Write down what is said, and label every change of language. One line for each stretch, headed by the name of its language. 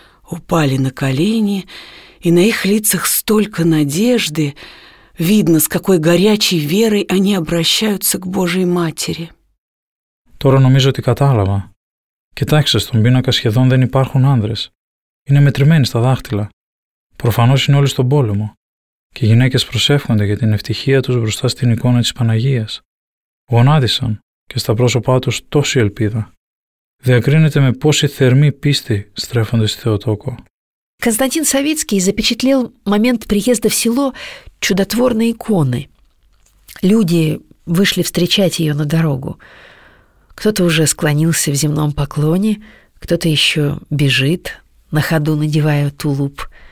Russian: Упали на колени, и на их лицах столько надежды. Видно, с какой горячей верой они обращаются к Божьей Матери».
Greek: «Τώρα νομίζω ότι κατάλαβα. Κοιτάξτε, στον πίνακα σχεδόν δεν υπάρχουν άνδρες. Είναι μετρημένοι στα δάχτυλα. Προφανώς είναι όλοι στον πόλεμο. Και οι γυναίκες προσεύχονται για την ευτυχία τους μπροστά στην εικόνα της Παναγίας. Γονάτισαν και στα πρόσωπά τους τόση ελπίδα. Διακρίνεται με πόση θερμή πίστη στρέφονται στη Θεοτόκο».
Russian: Константин Савицкий запечатлел момент приезда в село чудотворной иконы. Люди вышли встречать ее на дорогу. Кто-то уже склонился в земном поклоне, кто-то еще бежит, на ходу надевая тулуп.